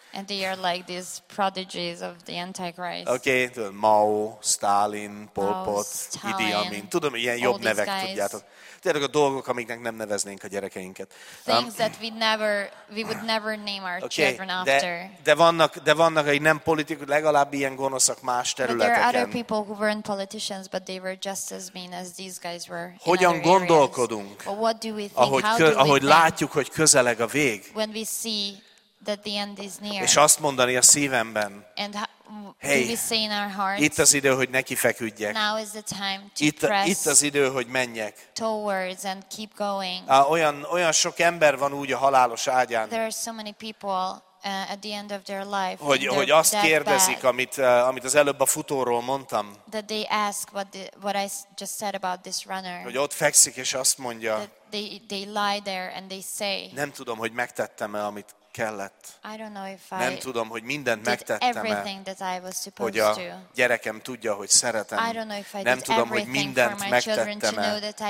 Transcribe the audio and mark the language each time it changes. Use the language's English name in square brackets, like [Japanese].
[English] And they are like these prodigies of the Antichrist. Okay, Mao, Stalin, Pol Pot, Idi Amin. [Hungarian] Tudom, ilyen jobb nevek, tudjátok. Tudjátok a dolgok, amiknek nem neveznénk a gyerekeinket. [English] Things that we would never name our children after. [Hungarian] De vannak, hogy nem politikus, legalább ilyen gonoszak más területeken. [English] But there are other people who weren't politicians, but they were just as mean as these guys were. [Hungarian] Hogyan gondolkodunk? [English] But what do we think? [Hungarian] Ahogy látjuk, hogy közeleg a vég. [English] When we see that the end is near. [Hungarian] És azt mondani a szívemben. [English] And hey, we say in our hearts, [Hungarian] itt az idő, hogy neki feküdjek. [English] Now is the time to [Hungarian] itt az idő, hogy menjek. [English] Towards and keep going. [Hungarian] Olyan sok ember van úgy a halálos ágyán. [English] There are so many people at the end of their life. [Hungarian] Hogy azt kérdezik, amit az előbb a futóról mondtam. [English] That they ask what I just said about this runner. [Hungarian] Hogy ott fekszik és azt mondja. [English] They lie there and they say. [Hungarian] Nem tudom, hogy megtettem-e, amit kellett. [English] I don't know if [Hungarian] nem tudom, hogy mindent megtettem-e, hogy a gyerekem tudja, hogy szeretem. Nem tudom, hogy mindent megtettem-e,